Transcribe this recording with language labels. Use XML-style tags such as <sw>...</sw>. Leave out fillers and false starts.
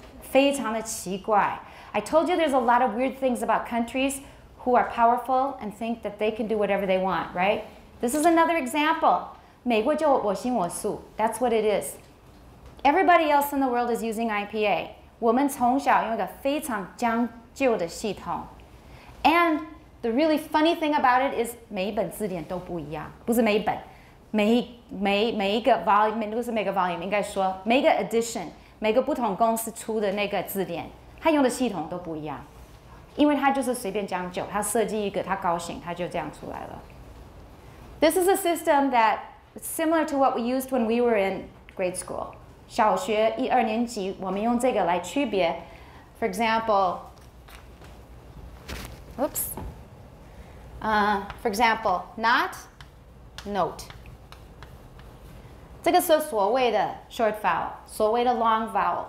<zh>非常的奇怪。</zh> <en>I told you there's a lot of weird things about countries who are powerful and think that they can do whatever they want, right? This is another example.</en> <zh>美国就我行我素。</zh> <en>That's what it is. Everybody else in the world is using IPA.</en> <zh>我们从小用一个非常讲究的系统。</zh> <en>And the really funny thing about it is</en> <zh>每一本字典都不一样。不是每一本。每一个 volume, 不是每个 volume, 应该说每一个 edition, 每个不同公司出的那个字典它用的系统都不一样。因为它就是随便讲究它设计一个它高兴它就这样出来了。</zh> <en>This is a system that is similar to what we used when we were in grade school.</en> <zh>小学一二年级，我们用这个来区别。</zh> <en>For example, oops. For example, not, note.</en> <zh>这个是所谓的 short vowel, 所谓的 long vowel.</zh>